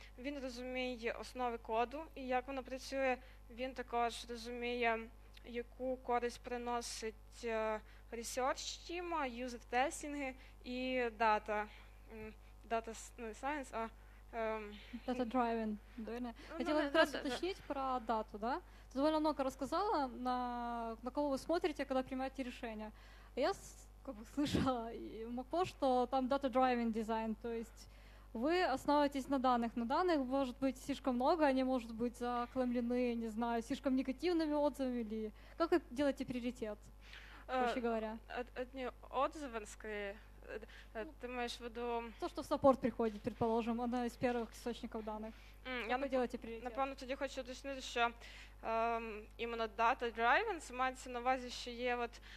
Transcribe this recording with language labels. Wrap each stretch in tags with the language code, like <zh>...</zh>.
<uk>Він розуміє основи коду і як воно працює. Він також розуміє, яку користь приносить research-тіма, юзер-тестінги і дата. Дата не сайенс, а дата-драйвен. Хотіла якраз уточнити про дату, да? Ти доволі</uk> <ru>много</ru> <uk>розказала, на кого ви</uk> <ru>смотрите,</ru> <uk>коли приймаєте рішення.</uk> <ru>А я слышала в МакПо, що там дата-драйвен дизайн, то есть вы основываетесь на данных. Но данных может быть слишком много, они могут быть заклемлены, не знаю, слишком негативными отзывами. Или... Как вы делаете приоритет, проще говоря? Одни отзывы, скорее. Ты имеешь в виду... То, что в саппорт приходит, предположим, одна из первых источников данных. Как вы делаете приоритет? Напомню,</ru> <uk>тоді хочу уточнити, що</uk> <ru>именно</ru> <uk>data-driven, це мається на увазі, що є от</uk>